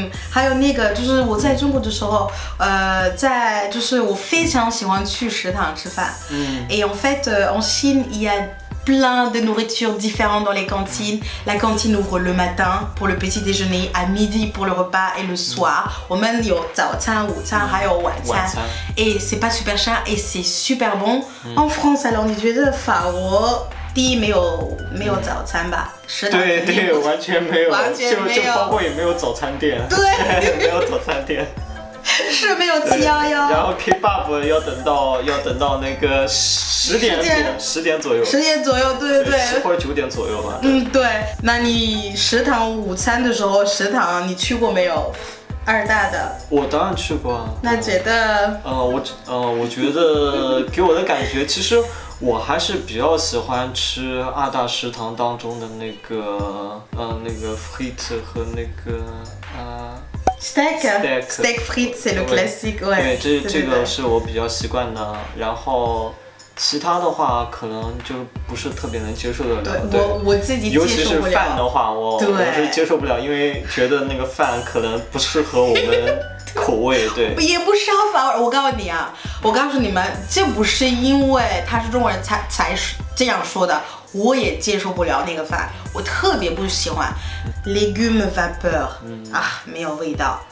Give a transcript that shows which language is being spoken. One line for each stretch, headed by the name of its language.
Chinese: 还有那个就是我在中国的时候在就是我非常喜欢去食堂吃饭
French: et en fait en Chine il y aa plein de nourriture différente dans les cantines. La cantine ouvre le matin pour le petit déjeuner, à midi pour le repas et le soir. On a le
Chinese: 早餐午餐还有晚餐
French: et c'est pas super cher et c'est super bon. En France, alors, on dirait
Chinese: 法国第一没有早餐吧？食堂对对，完全没有，就包括也没有早餐店，对，没有早餐店。是没有711 然后 K-pop 要等到那个10点左右 10点左右对对对或者9点左右吧对对那你食堂午餐的时候食堂你去过没有二大的我当然去过那觉得我觉得给我的感觉其实我还是比较喜欢吃二大食堂当中的那个那个 frite 和那个
French: Steak frites, c'est le classique.
Chinese: 对，这个是我比较习惯的。然后，其他的话可能就不是特别能接受得了。我自己接受不了，尤其是饭的话 我是接受不了，因为觉得那个饭可能不适合我们口味。对，也不是啊，反而我告诉你们这不是因为他是中国人才这样说的，我也接受不了那个饭，我特别不喜欢
French: légume vapeur、
Chinese: 啊、没有味道。